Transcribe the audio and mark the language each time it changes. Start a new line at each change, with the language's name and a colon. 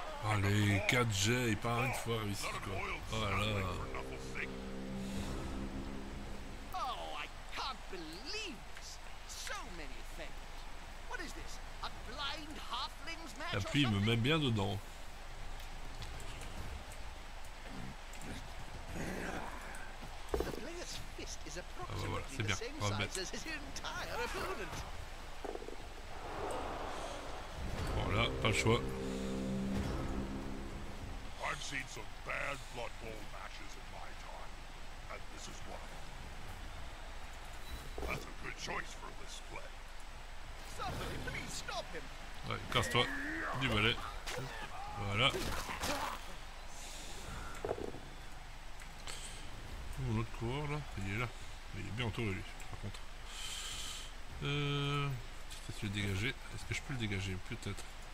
French: Allez, 4G et pas une fois ici quoi. Voilà.
English: Oh, I can't believe this. So many things. What is this? A blind halfling's match.
French: Et puis il me met bien dedans.
English: The player's fist is approximately the same size as his entire opponent.
French: Là, pas le choix.
English: I've seen some bad Blood Bowl matches in my time, and this is one of them. That's a good choice for this play. Somebody, please stop him.
French: Ouais, casse-toi du balai. Voilà. Oh, mon autre coureur là, il est là. Il est bien entouré lui, par contre. Peut-être le dégager. Est-ce que je peux le dégager? Peut-être.